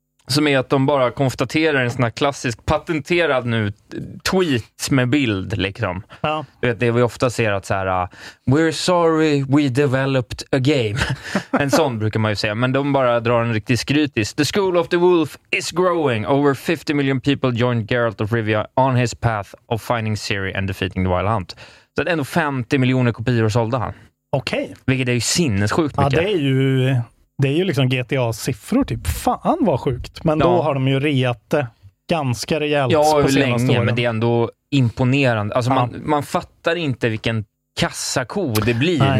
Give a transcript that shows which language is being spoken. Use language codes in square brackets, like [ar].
[sv] Som är att de bara konstaterar en sån här klassisk patenterad nu tweet med bild liksom. Ja. Du vet, det vi ofta ser att så här, [en] we're sorry we developed a game. [sv] En sån brukar man ju säga, men de bara drar en riktig skrytis. [en] The School of the Wolf is growing. Over 50 million people joined Geralt of Rivia on his path of finding Ciri and defeating the Wild Hunt. [sv] Så det är ändå 50 miljoner kopior sålda han. Okej. Okay. Vilket är ju sinnessjukt mycket. Ja, det är ju... Det är ju liksom GTA-siffror typ. Fan vad sjukt. Men ja. Då har de ju reat ganska rejält. Ja, hur på länge, åren. Men det är ändå imponerande. Alltså ja. man fattar inte vilken kassako det blir. Nej.